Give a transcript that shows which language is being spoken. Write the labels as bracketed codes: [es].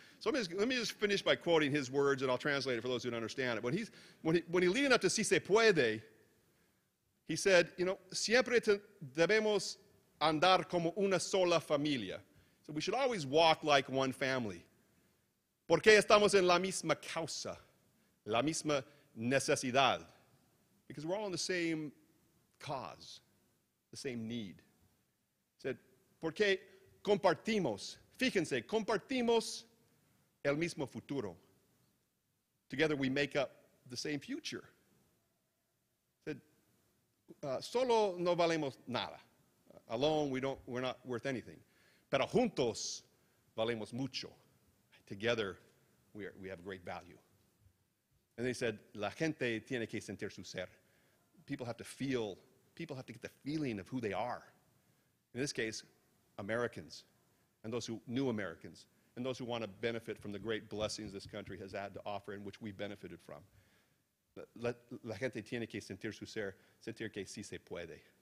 [en] So let me just finish by quoting his words, and I'll translate it for those who don't understand it. When he leading up to Si Se Puede, he said, you know, [es] siempre debemos andar como una sola familia. [en] So we should always walk like one family. [es] Porque estamos en la misma causa, la misma necesidad. [en] Because we're all in the same cause, the same need. He said, [es] porque compartimos, fíjense, compartimos el mismo futuro. [en] Together we make up the same future. [es] Solo no valemos nada. [en] Alone, we're not worth anything. [es] Pero juntos, valemos mucho. [en] Together, we have great value. And they said, [es] la gente tiene que sentir su ser. [en] People have to feel, people have to get the feeling of who they are. In this case, Americans, and those who knew Americans, and those who want to benefit from the great blessings this country has had to offer and which we benefited from. [es] La gente tiene que sentir su ser, sentir que sí se puede.